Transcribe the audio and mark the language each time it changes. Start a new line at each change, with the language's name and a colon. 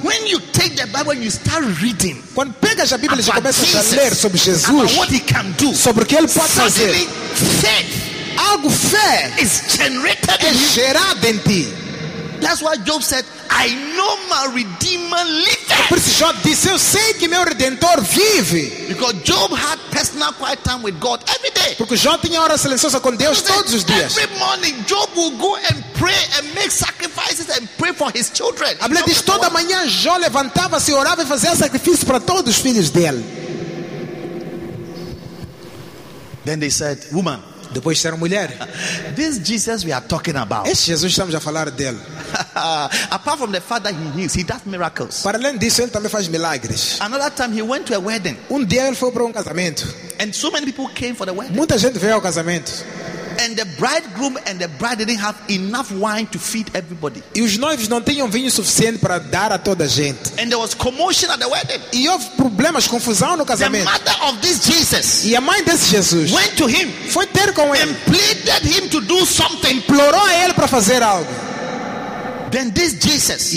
English: When you take the Bible and you start reading,
Portuguese: quando pegas a Bíblia e começas a ler sobre Jesus,
English: about what he can do,
Portuguese: sobre o que ele pode fazer,
English: faith,
Portuguese: algo fé,
English: is generated,
Portuguese: é gerado em ti.
English: That's why Job said, I know my Redeemer lives.
Portuguese: Por isso Job disse, eu sei que meu Redentor vive.
English: Because Job had personal quiet time with God every day.
Portuguese: Porque Job tinha hora silenciosa com Deus todos os dias.
English: Every morning, Job will go and pray and make sacrifices and pray for his children.
Portuguese: A Bíblia diz, toda manhã Job levantava-se, orava e fazia sacrifício para todos os filhos dele.
English: Then they said, woman.
Portuguese: Depois disseram, mulher,
English: this Jesus we are talking about.
Portuguese: Esse Jesus estamos a falar dele.
English: Apart from the fact that he heals, he does miracles.
Portuguese: Para além disso, ele também faz milagres.
English: Another time he went to a wedding.
Portuguese: Um dia ele foi para um casamento.
English: And so many people came for the wedding.
Portuguese: Muita gente veio ao casamento.
English: And the bridegroom and the bride didn't have enough wine to feed everybody.
Portuguese: E os noivos não tinham vinho suficiente para dar a toda a gente.
English: And there was commotion at the wedding.
Portuguese: E houve problemas, confusão no casamento.
English: The mother of this Jesus.
Portuguese: E a mãe desse Jesus.
English: Went to him.
Portuguese: Foi ter com ele.
English: And pleaded him to do something.
Portuguese: Implorou a ele para fazer algo.
English: Then this Jesus.